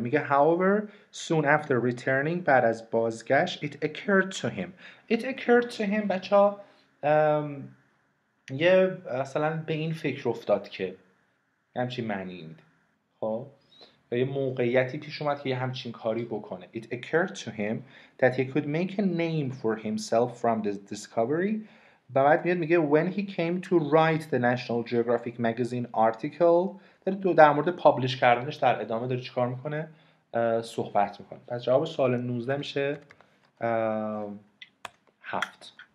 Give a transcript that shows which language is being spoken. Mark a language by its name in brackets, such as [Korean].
[Persian] میگه [English] however soon after returning، [Persian] بعد از بازگشت، [English] it occurred to him. It occurred to him [Persian] بچه ها یه مثلا به این فکر افتاد که همچین معنی میده. خب یه موقعیتی پیش اومد که یه همچین کاری بکنه. [English] It occurred to him that he could make a name for himself from this discovery. [Persian] بعد میاد میگه [English] when he came to write the National Geographic Magazine article، [Persian] در مورد پابلش کردنش در ادامه داره چیکار میکنه؟ صحبت میکنه. پس جواب سوال 19 میشه 7.